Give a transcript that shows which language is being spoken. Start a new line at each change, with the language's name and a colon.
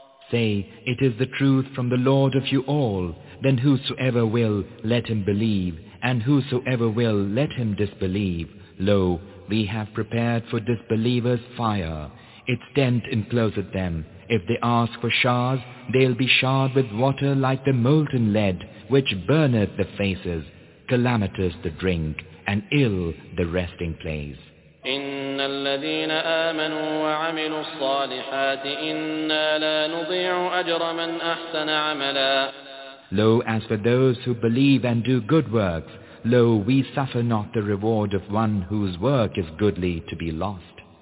English: Say, "It is the truth from the Lord of you all. Then whosoever will, let him believe, and whosoever will, let him disbelieve. Lo, we have prepared for disbelievers fire. Its tent encloseth them. If they ask for showers, they'll be showered with water like the molten lead, which burneth the faces. Calamitous the drink, and ill the resting place."
Arabic: إن الذين آمنوا وعملوا الصالحات إنا لا نضيع أجر من أحسن عملا.
English: Lo, as for those who believe and do good works, lo, we suffer not the reward of one whose work is goodly to be lost.